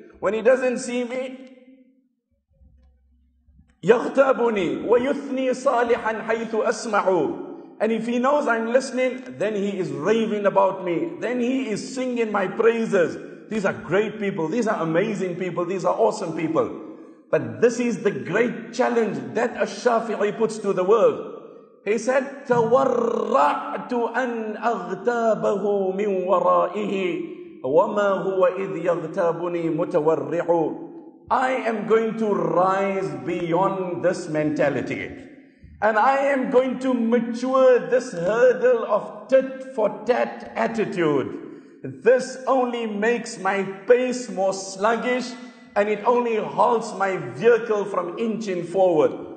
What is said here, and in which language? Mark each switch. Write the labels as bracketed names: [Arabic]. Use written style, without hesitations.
[English] When he doesn't see me, [Arabic] يَغْتَابُنِي وَيُثْنِي صَالِحًا حَيْثُ أَسْمَعُ. [English] And if he knows I'm listening, then he is raving about me. Then he is singing my praises. These are great people. These are amazing people. These are awesome people. But this is the great challenge that الشافعي puts to the world. He said, [Arabic] تَوَرَّعْتُ أَنْ أَغْتَابَهُ مِنْ وَرَائِهِ وَمَا هُوَ إِذْ يَغْتَابُنِي مُتَوَرِّعُ. [English] I am going to rise beyond this mentality. And I am going to mature this hurdle of tit for tat attitude. This only makes my pace more sluggish and it only halts my vehicle from inching forward.